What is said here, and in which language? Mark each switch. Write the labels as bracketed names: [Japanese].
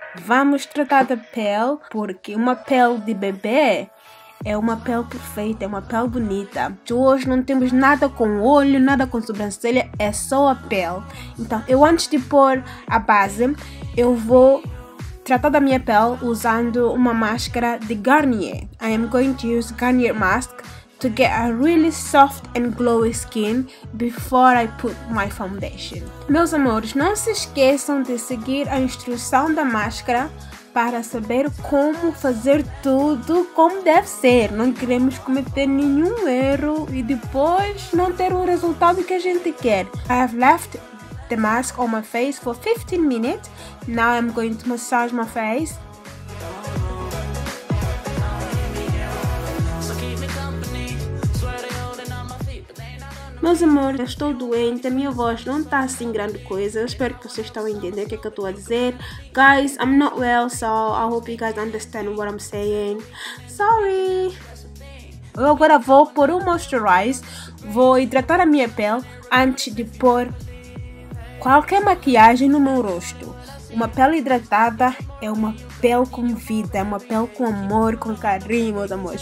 [Portuguese] Vamos tratar da pele, porque uma pele de bebê é uma pele perfeita, é uma pele bonita. Hoje não temos nada com olho, nada com sobrancelha, é só a pele. Então, eu antes de pôr a base, eu vou tratar da minha pele usando uma máscara de Garnier. [English] I am going to use Garnier mask to get a really soft and glowy skin before I put my foundation. [Portuguese] Meus amores, não se esqueçam de seguir a instrução da máscara para saber como fazer tudo como deve ser. Não queremos cometer nenhum erro e depois não ter o resultado que a gente quer. [English] I have left the mask on my face for 15 minutes. Now I'm going to massage my face. [Portuguese] Meus amores, eu estou doente, a minha voz não está assim grande coisa. Eu espero que vocês estão a entender o que é que eu estou a dizer. [English] Guys, I'm not well, so I hope you guys understand what I'm saying. Sorry! [Portuguese] Eu agora vou pôr um moisturizer, vou hidratar a minha pele antes de pôr qualquer maquiagem no meu rosto. Uma pele hidratada é uma pele com vida, é uma pele com amor, com carinho, meus amores.